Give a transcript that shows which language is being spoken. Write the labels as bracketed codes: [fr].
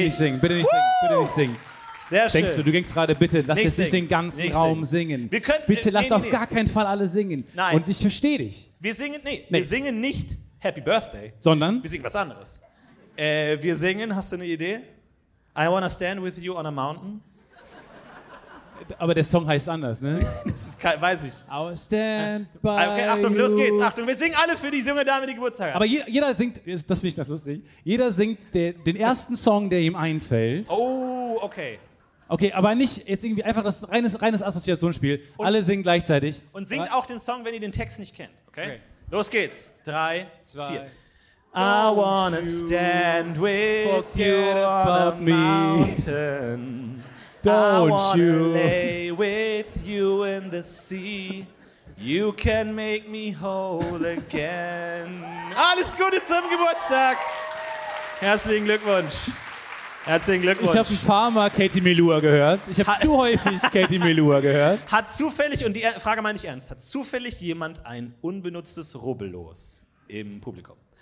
[de] Bitte nicht singen, bitte nicht singen, bitte nicht singen. Sehr schön. Denkst du gingst gerade, bitte, lass jetzt nicht den ganzen Raum singen. Wir können, bitte lass auf gar keinen Fall alle singen. Nein. Und ich verstehe dich. Wir singen nicht Happy Birthday. Sondern? Wir singen was anderes. Wir singen, hast du eine Idee? [en] I wanna stand with you on a mountain. [de] Aber der Song heißt anders, ne? Weiß ich. [en] I will stand by [de] okay, Achtung, [en] you. [de] Los geht's. Achtung, wir singen alle für die junge Dame, die Geburtstag hat. Aber jeder singt, das finde ich ganz lustig, jeder singt den ersten Song, der ihm einfällt. Oh, okay. Okay, aber nicht jetzt irgendwie einfach das reines Assoziationsspiel. Und alle singen gleichzeitig. Und singt auch den Song, wenn ihr den Text nicht kennt, okay? Los geht's. 3, 2, 4. [en] I wanna stand with you on a mountain. Don't you? I wanna lay with you in the sea. You can make me whole again. [de] Alles Gute zum Geburtstag. Herzlichen Glückwunsch. Herzlichen Glückwunsch. Ich habe ein paar Mal Katie Melua gehört. Ich habe zu häufig Katie Melua gehört. Hat zufällig, und die Frage meine ich ernst, hat zufällig jemand ein unbenutztes Rubbellos im Publikum?